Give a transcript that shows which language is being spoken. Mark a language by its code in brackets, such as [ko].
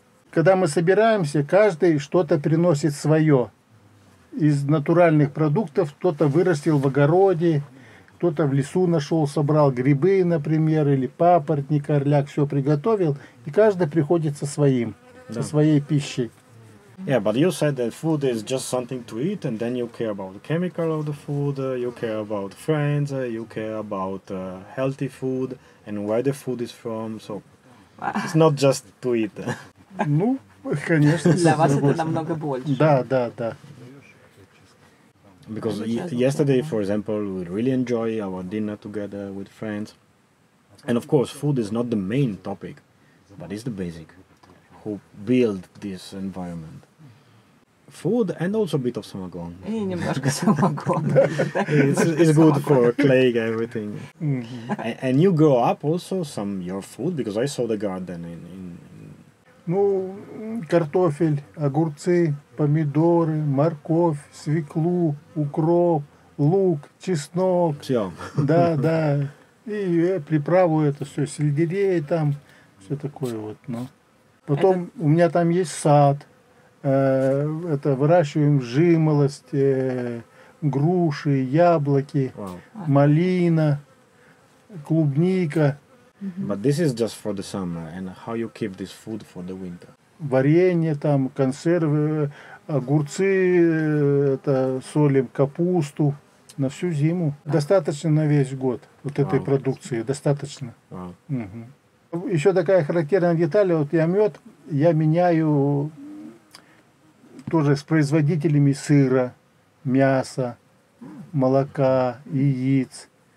[ru] Когда мы собираемся, каждый что-то приносит свое. Из натуральных продуктов кто-то вырастил в огороде, кто-то в лесу нашел, собрал грибы, например, или папоротник, орляк, все приготовил. И каждый приходит со своим, со своей пищей. [en] Yeah, but you said that food is just something to eat, and then you care about the chemical of the food, you care about friends, you care about healthy food, and where the food is from, so it's not just to eat. [ru] Ну, конечно. Для вас это намного больше. Да. [en] Because yesterday, for example, we really enjoy our dinner together with friends. And of course, food is not the main topic, but it's the basic. Who build this environment? Food and also a bit of samagon. [ru] И немножко самогон. [en] It's good for plague everything. And you grow up also some your food because I saw the garden in. [ru] Ну, картофель, огурцы, помидоры, морковь, свеклу, укроп, лук, чеснок. Все. Да. И приправу это все, сельдерей там, все такое вот, но. Потом у меня там есть сад, это выращиваем жимолость, груши, яблоки, малина, клубника. [en] But this is just for the summer, and how you keep this food for the winter? [ru] Варенье там, консервы, огурцы, это солим капусту на всю зиму. Достаточно на весь год вот этой продукции, достаточно. Еще такая характерная деталь, вот я мед, я меняю тоже с производителями сыра, мяса, молока, яиц.